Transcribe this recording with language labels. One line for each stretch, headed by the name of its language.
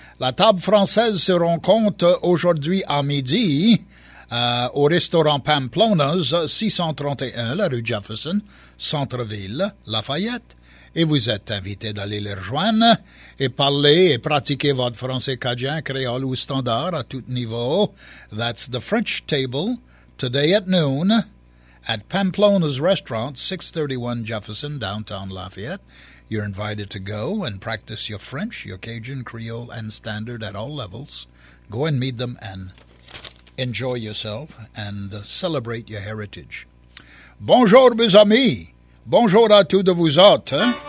French: La table française se rencontre aujourd'hui à midi au restaurant Pamplona's, 631, la rue Jefferson, centre-ville, Lafayette. Et vous êtes invités d'aller les rejoindre et parler et pratiquer votre français cajun, créole ou standard à tout niveau.
English: That's the French table, today at noon, at Pamplona's Restaurant, 631 Jefferson, downtown Lafayette. You're invited to go and practice your French, your Cajun, Creole, and standard at all levels. Go and meet them and enjoy yourself and celebrate your heritage.
French: Bonjour, mes amis. Bonjour à tous de vous autres.